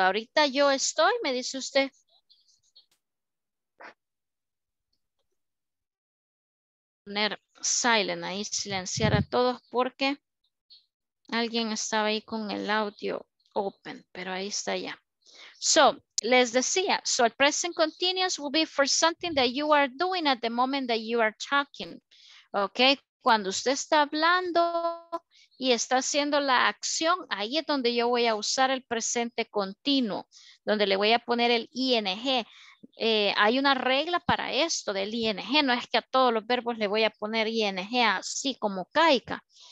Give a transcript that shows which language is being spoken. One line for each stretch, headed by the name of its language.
Spanish: Ahorita yo estoy, me dice usted. Poner silent, ahí silenciar a todos porque alguien estaba ahí con el audio open, pero ahí está ya.
English: So,
Spanish: les decía,
English: so el present continuous will be for something that you are doing at the moment that you are talking.
Spanish: Ok, cuando usted está hablando y está haciendo la acción, ahí es donde yo voy a usar el presente continuo, donde le voy a poner el ing. Hay una regla para esto del ing, no es que a todos los verbos le voy a poner ing así como caiga.